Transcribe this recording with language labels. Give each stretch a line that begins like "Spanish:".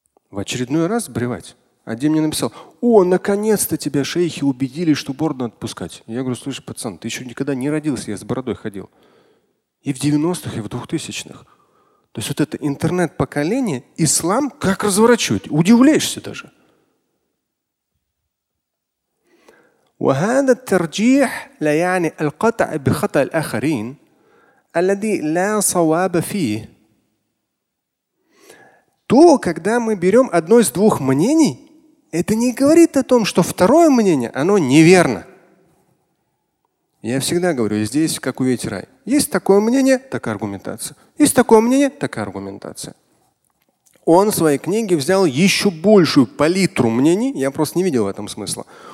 Russian: в очередной раз сбривать. Один мне написал: «О, наконец-то тебя шейхи убедили, что бороду отпускать». Я говорю: «Слушай, пацан, ты еще никогда не родился, я с бородой ходил». И в 90-х, и в 2000-х. То есть вот это интернет-поколение, ислам как разворачивает. Удивляешься даже.
Arabic: وهذا الترجيح لا يعني القطع بخطأ الآخرين الذي لا صواب فيه.
Russian: То, когда мы берем одно из двух мнений, это не говорит о том, что второе мнение, оно неверно. Я всегда говорю, здесь, как увидеть рай. Есть такое мнение, такая аргументация. Есть такое мнение, такая аргументация. Он в своей книге взял еще большую палитру мнений, я просто не видел в этом смысла.